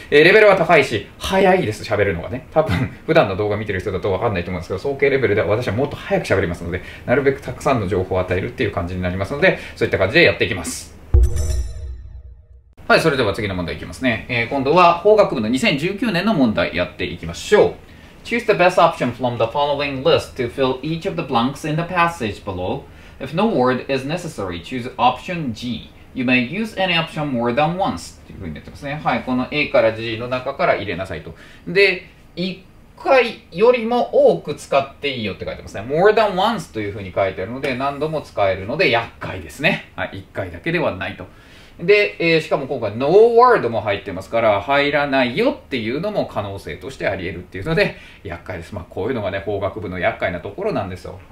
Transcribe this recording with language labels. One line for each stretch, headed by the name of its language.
Japanese: レベルは高いし早いです、喋るのがね。多分普段の動画見てる人だと分かんないと思うんですけど、総計レベルでは私はもっと早く喋りますので、なるべくたくさんの情報を与えるっていう感じになりますので、そういった感じでやっていきます。はい、それでは次の問題いきますね。今度は法学部の2019年の問題やっていきましょう。
English: Choose the best option from the following list to fill each of the blanks in the passage below. If no word is necessary, choose option G. You may use any option more than once.
Japanese: というふうになってますね。はい、この A から G の中から入れなさいと。で、1回よりも多く使っていいよって書いてますね。
English: More than once
Japanese: というふうに書いてあるので、何度も使えるので厄介ですね。はい、1回だけではないと。で、しかも今回
English: no word
Japanese: も入ってますから、入らないよっていうのも可能性としてあり得るっていうので、厄介です。まあ、こういうのがね、法学部の厄介なところなんですよ。